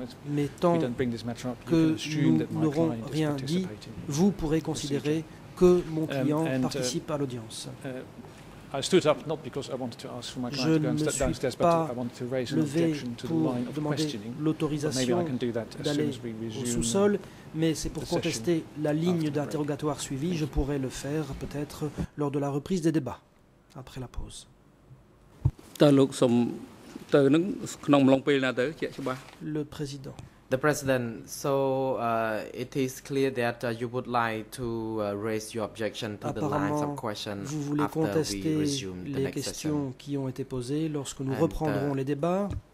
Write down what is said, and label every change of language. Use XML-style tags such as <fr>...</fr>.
<fr>Mais tant que nous n'aurons rien dit, vous pourrez considérer que mon client participe à l'audience.</fr> <en>I stood up not because I wanted to ask for my client to go and step downstairs, but I wanted to raise an objection to the line of questioning.</en> <fr>L'autorisation</fr> <en>maybe I can do that as soon as we resume.</en> <fr>Au sous-sol, mais c'est pour contester la ligne d'interrogatoire suivie. Je pourrais le faire peut-être lors de la reprise des débats après la pause. Le président.</fr> <en>The President, so it is clear that you would like to raise your objection to the lines of question</en> <fr>vous voulez contester les questions</fr> <en>session.</en> <fr>Qui ont été posées lorsque nous reprendrons les débats.</fr>